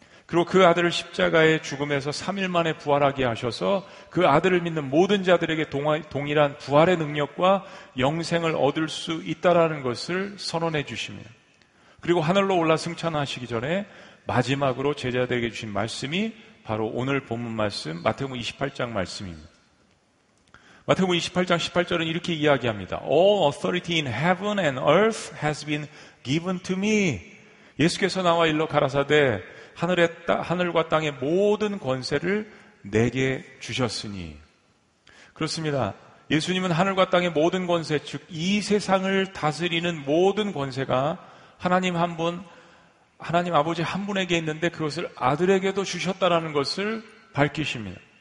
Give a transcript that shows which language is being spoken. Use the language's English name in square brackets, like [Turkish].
[Korean] 그리고 그 아들을 십자가의 죽음에서 3일 만에 부활하게 하셔서 그 아들을 믿는 모든 자들에게 동일한 부활의 능력과 영생을 얻을 수 있다라는 것을 선언해 주십니다. 그리고 하늘로 올라 승천하시기 전에 마지막으로 제자들에게 주신 말씀이 바로 오늘 본문 말씀 마태복음 28장 말씀입니다. 마태복음 28장 18절은 이렇게 이야기합니다. [English] All authority in heaven and earth has been given to me. [Korean] 예수께서 나와 일러 가라사대 하늘과 땅의 모든 권세를 내게 주셨으니. 그렇습니다. 예수님은 하늘과 땅의 모든 권세, 즉 이 세상을 다스리는 모든 권세가 하나님 한 분, 하나님 아버지 한 분에게 있는데 그것을 아들에게도 주셨다라는 것을 밝히십니다.